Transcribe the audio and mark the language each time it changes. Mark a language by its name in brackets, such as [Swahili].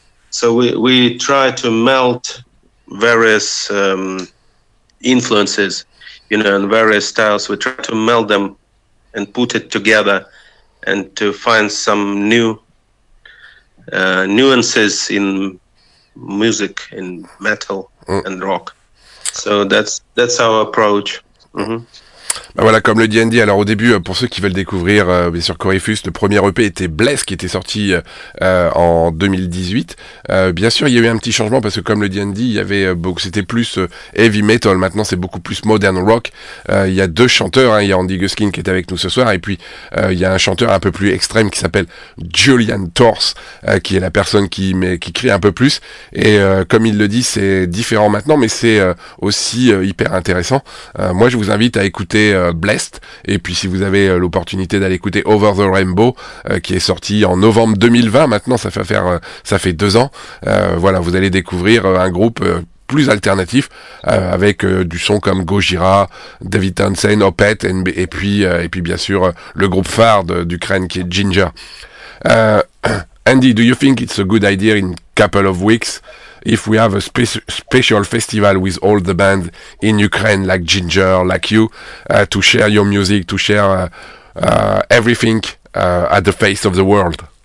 [English] So we try to melt various influences, you know, and various styles. We try to meld them and put it together and to find some new nuances in music, in metal and rock. So that's our approach. [French] Ben voilà, comme le dit Andy, alors au début, pour ceux qui veulent découvrir bien sûr Corypheus, le premier EP était Bless, qui était sorti en 2018. Bien sûr, il y a eu un petit changement, parce que comme le dit Andy, il y avait beaucoup, c'était plus heavy metal, maintenant c'est beaucoup plus modern rock. Il y a deux chanteurs, il y a Andy Guskin qui est avec nous ce soir, et puis il y a un chanteur un peu plus extrême qui s'appelle Julian Torse, qui est la personne qui crie un peu plus. Et comme il le dit, c'est différent maintenant, mais c'est aussi hyper intéressant. Moi, je vous invite à écouter Blessed, et puis si vous avez l'opportunité d'aller écouter Over the Rainbow qui est sorti en novembre 2020, maintenant ça fait 2 ans, voilà, vous allez découvrir un groupe plus alternatif avec du son comme Gojira, David Townsend, Opeth, et puis bien sûr le groupe phare d'Ukraine qui est Ginger. [English] Andy, do you think it's a good idea in couple of weeks if we have a special festival with all the bands in Ukraine, like Ginger, like you, to share your music, to share everything at the face of the world?